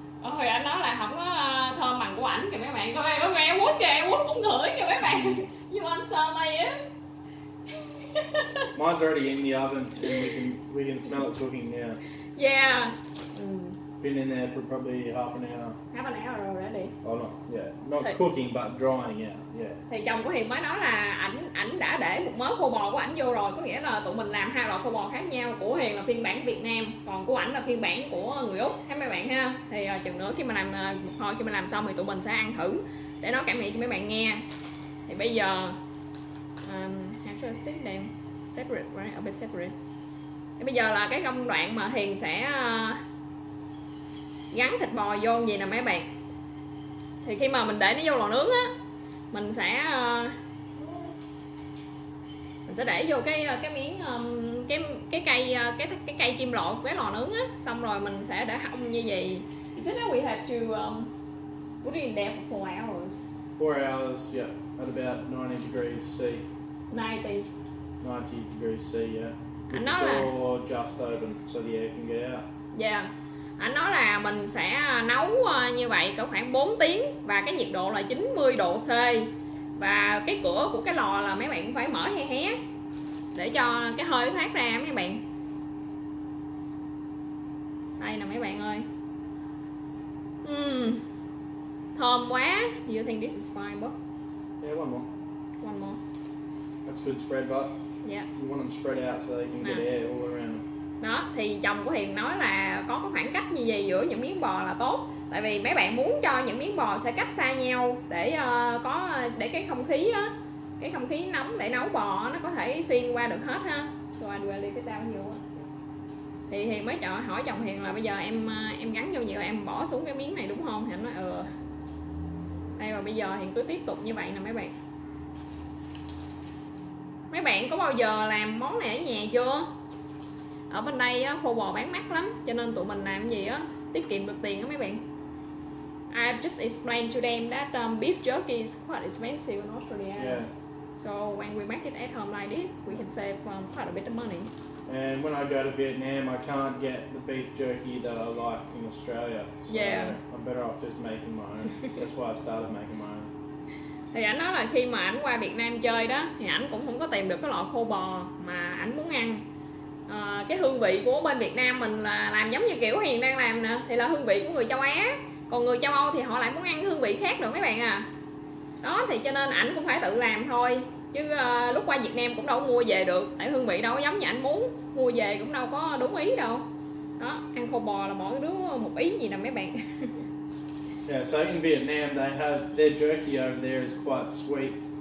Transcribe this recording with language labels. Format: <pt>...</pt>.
<vi>Ôi, anh nói là không có thơm bằng của ảnh kìa mấy bạn. Coi em nghe quốc kìa, em quốc cũng ngửi kìa mấy bạn.</vi> <en>You want some, I am? Mine's already in the oven and we can smell it cooking now. Yeah. Been in there for probably half an hour. Half an hour already. Oh no, yeah. Not cooking but drying, yeah.</en> <vi>Thì chồng của Hiền mới nói là ảnh đã để một mớ khô bò của ảnh vô rồi. Có nghĩa là tụi mình làm hai loại khô bò khác nhau. Của Hiền là phiên bản Việt Nam, còn của ảnh là phiên bản của người Úc. Thấy mấy bạn ha. Thì chừng nữa khi mà làm một hồi, khi mà làm xong thì tụi mình sẽ ăn thử để nói cảm nghĩ cho mấy bạn nghe. Thì bây giờ</vi> <en>how should I stick them separate, right? A bit separate.</en> <vi>Thì bây giờ là cái công đoạn mà Hiền sẽ gắn thịt bò vô gì nè mấy bạn. Thì khi mà mình để nó vô lò nướng á, mình sẽ để vô cái miếng cái cây chim lộ cái lò nướng á, xong rồi mình sẽ để hong như vậy. Is it that we have to put it in there for 4 hours? 4 hours, yeah, at about 90 degrees C. 90 degrees C, yeah. Anh nói là</vi> <en>just open so the air can get out. Yeah.</en> <vi>Anh nói là mình sẽ nấu như vậy cỡ khoảng 4 tiếng và cái nhiệt độ là 90 độ C. Và cái cửa của cái lò là mấy bạn cũng phải mở hé hé để cho cái hơi thoát ra mấy bạn. Đây nè mấy bạn ơi. Thơm quá.</vi> <en>You think this is fine, but? Yeah, one more. One more. That's good spread, but. Yeah. You want them spread out so they can get air all around them.</en> <vi>Đó, thì chồng của Hiền nói là có cái khoảng cách như vậy giữa những miếng bò là tốt. Tại vì mấy bạn muốn cho những miếng bò sẽ cách xa nhau để có để cái không khí á, cái không khí nóng để nấu bò nó có thể xuyên qua được hết ha.</vi> <en>So I do a little bit down here.</en> <vi>Thì Hiền mới hỏi chồng Hiền là bây giờ em gắn vô nhiều em bỏ xuống cái miếng này đúng không? Thì anh nói ừ. Đây và bây giờ Hiền cứ tiếp tục như vậy nè mấy bạn. Mấy bạn có bao giờ làm món này ở nhà chưa? Ở bên đây á, khô bò bán mắc lắm, cho nên tụi mình làm gì á tiết kiệm được tiền á mấy bạn.</vi> <en>I've just explained to them that beef jerky is quite expensive in Australia. Yeah. So when we make it at home like this, we can save quite a bit of money. And when I go to Vietnam, I can't get the beef jerky that I like in Australia. So yeah. I'm better off just making my own. That's why I started making my own.</en> <vi>Thì ảnh nói là khi mà ảnh qua Việt Nam chơi đó, thì ảnh cũng không có tìm được cái loại khô bò mà ảnh muốn ăn. Cái hương vị của bên Việt Nam mình là làm giống như kiểu Hiền đang làm nè, thì là hương vị của người châu Á. Còn người châu Âu thì họ lại muốn ăn hương vị khác nữa mấy bạn à. Đó thì cho nên ảnh cũng phải tự làm thôi. Chứ lúc qua Việt Nam cũng đâu mua về được. Tại hương vị đâu giống như ảnh muốn, mua về cũng đâu có đúng ý đâu. Đó, ăn khô bò là mỗi đứa một ý gì nè mấy bạn.</vi> <en>Yeah, so in Vietnam they have their jerky over there is quite sweet.</en>